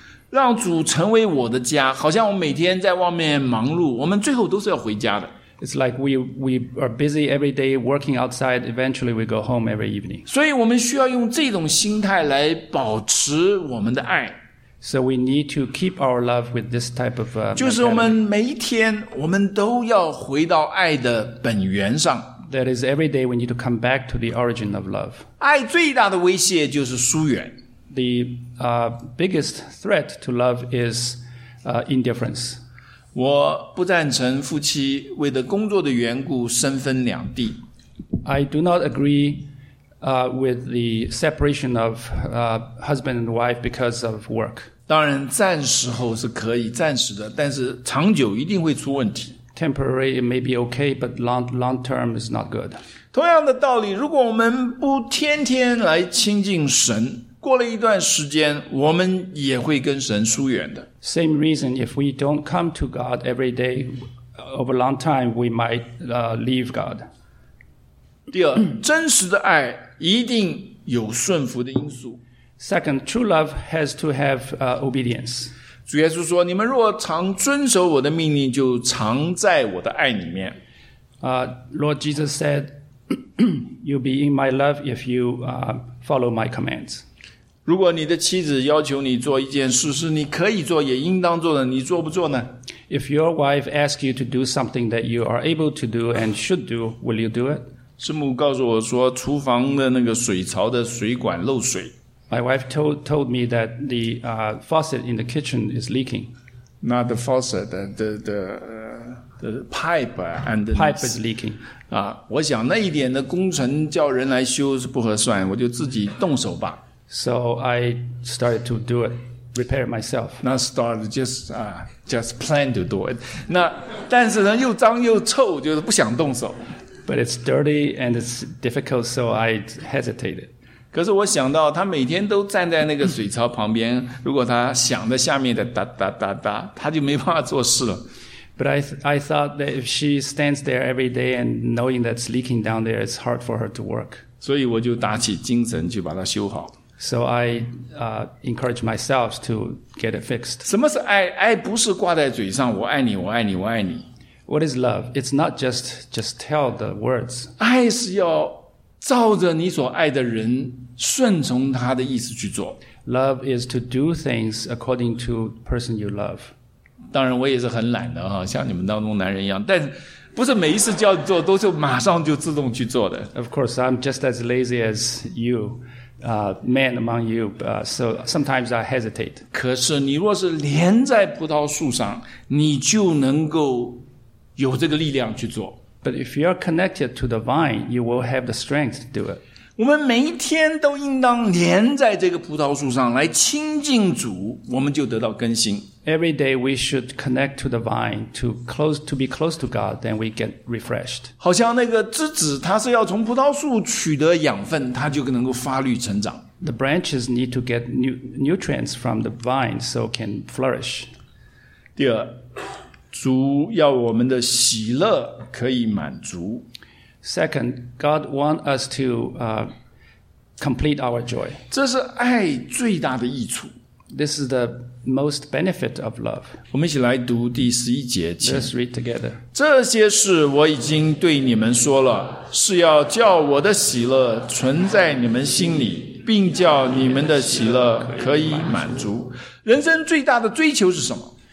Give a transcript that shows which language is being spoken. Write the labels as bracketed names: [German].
[Chinese] 让主成为我的家，好像我每天在外面忙碌，我们最后都是要回家的。 [English] It's like we are busy every day working outside, eventually we go home every evening. [Chinese] 所以我们需要用这种心态来保持我们的爱。 [English] So we need to keep our love with this type of mentality. [Chinese] 就是我们每一天我们都要回到爱的本源上。 [English] That is every day we need to come back to the origin of love. [Chinese] 爱最大的威胁就是疏远。 [English] The biggest threat to love is indifference. [Chinese] 我不赞成夫妻为了工作的缘故身分两地。 [English] I do not agree with the separation of husband and wife because of work. [Chinese] 当然暂时候是可以暂时的，但是长久一定会出问题。 [English] Temporary it may be okay, but long term is not good. [Chinese] 同样的道理，如果我们不天天来亲近神，过了一段时间，我们也会跟神疏远的。 [English] Same reason, if we don't come to God every day, over a long time, we might leave God. [Chinese] 第二，真实的爱一定有顺服的因素。 [English] Second, true love has to have obedience. [Chinese] 主耶稣说，你们若常遵守我的命令，就常在我的爱里面。 [English] Lord Jesus said, you'll be in my love if you follow my commands. [Chinese] 如果你的妻子要求你做一件事是你可以做也应当做的，你做不做呢？ [English] If your wife asks you to do something that you are able to do and should do, will you do it? [Chinese] 师母告诉我说厨房的那个水槽的水管漏水。 [English] My wife told me that the faucet in the kitchen is leaking. Not the faucet, the pipe and the pipe is leaking. [Chinese] 我想那一点的工程叫人来修是不合算，我就自己动手吧。 [English] So I started to do it, repair it myself. Not start, just plan to do it. [Chinese] 那但是呢，又脏又臭，就是不想动手。 [English] But it's dirty and it's difficult, so I hesitated. [Chinese] 可是我想到他每天都站在那个水槽旁边，如果他想着下面的哒哒哒哒，他就没办法做事了。 [English] But I thought that if she stands there every day and knowing that's leaking down there, it's hard for her to work. [Chinese] 所以我就打起精神去把它修好。 [English] So I encourage myself to get it fixed. [Chinese] 什么是爱？爱不是挂在嘴上，我爱你，我爱你，我爱你。 [English] What is love? It's not just tell the words. [Chinese] 爱是要照着你所爱的人，顺从他的意思去做。 [English] Love is to do things according to the person you love. [Chinese] 当然我也是很懒的，像你们当中男人一样，但不是每一次叫你做，都是马上就自动去做的。 [English] Of course, I'm just as lazy as you. Man among you, so sometimes I hesitate. [Chinese] 可是你若是连在葡萄树上，你就能够有这个力量去做。 [English] But if you are connected to the vine, you will have the strength to do it. [Chinese] 我们每一天都应当连在这个葡萄树上来亲近主，我们就得到更新。 [English] Every day we should connect to the vine to be close to God, then we get refreshed. [Chinese] 好像那个枝子，它是要从葡萄树取得养分，它就能够发绿成长。 [English] The branches need to get nutrients from the vine so it can flourish. [Chinese] 第二，主要我们的喜乐可以满足。 [English] Second, God wants us to complete our joy. [Chinese] 这是爱最大的益处。 [English] This is the most benefit of love. [Chinese] 我们一起来读第十一节。 [English] Let's read together. [Chinese] 这些事我已经对你们说了，是要叫我的喜乐存在你们心里，并叫你们的喜乐可以满足。人生最大的追求是什么？